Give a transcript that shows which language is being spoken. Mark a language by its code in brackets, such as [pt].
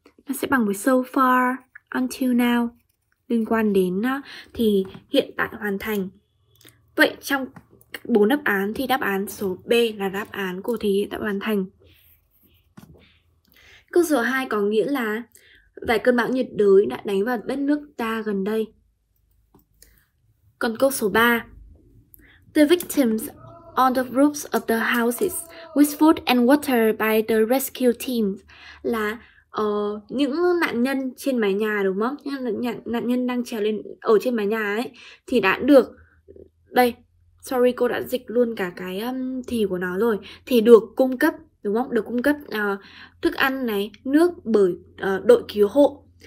[vi] Nó sẽ bằng với [en] so far, until now. [vi] Liên quan đến nó thì hiện tại hoàn thành. Vậy trong 4 đáp án thì đáp án số B là đáp án của thì hiện tại hoàn thành. Câu số 2 có nghĩa là vài cơn bão nhiệt đới đã đánh vào đất nước ta gần đây. Còn câu số 3. [en] The victims on the roofs of the houses with food and water by the rescue team. [vi] Là những nạn nhân trên mái nhà đúng không? Những nạn nhân đang trèo lên ở trên mái nhà ấy thì đã được, đây, sorry cô đã dịch luôn cả cái thì của nó rồi, thì được cung cấp đúng không? Được cung cấp thức ăn này, nước bởi đội cứu hộ.